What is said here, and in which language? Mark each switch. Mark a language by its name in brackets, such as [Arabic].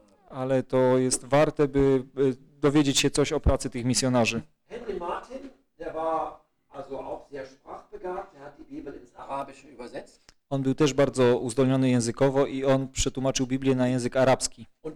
[Polish] Ale to jest warte, by dowiedzieć się coś o pracy tych misjonarzy. [German] Henry Martin, der war also auch sehr sprachbegabt, der hat die Bibel ins Arabische übersetzt. [Polish] On był też bardzo uzdolniony językowo i on przetłumaczył Biblię na język arabski.